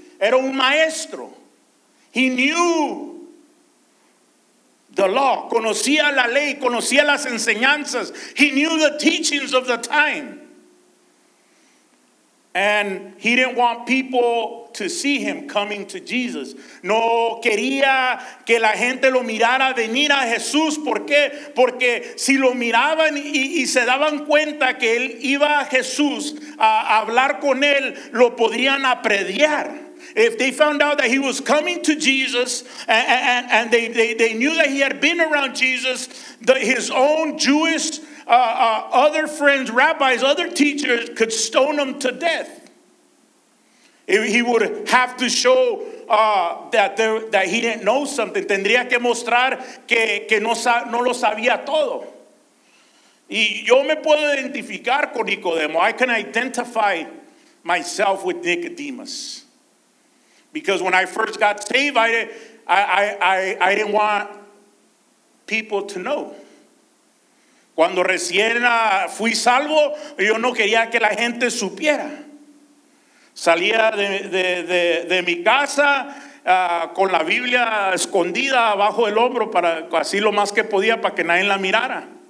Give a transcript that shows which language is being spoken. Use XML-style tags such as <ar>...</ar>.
<es>Era un maestro.</es> <en>He knew the law,</en> <es>conocía la ley, conocía las enseñanzas.</es> <en>He knew the teachings of the time. And he didn't want people to see him coming to Jesus.</en> <es>No quería que la gente lo mirara venir a Jesús. ¿Por qué? Porque si lo miraban y se daban cuenta que él iba a Jesús a hablar con él, lo podrían apedrear.</es> <en>If they found out that he was coming to Jesus and they knew that he had been around Jesus, his own Jewish other friends, rabbis, other teachers could stone him to death. He would have to show that he didn't know something.</en> <es>Tendría que mostrar que no lo sabía todo. Y yo me puedo identificar con Nicodemo.</es> <en>I can identify myself with Nicodemus. Because when I first got saved, I didn't want people to know.</en> <es>Cuando recién fui salvo, yo no quería que la gente supiera. Salía de mi casa con la Biblia escondida abajo del hombro para así lo más que podía para que nadie la mirara.</es>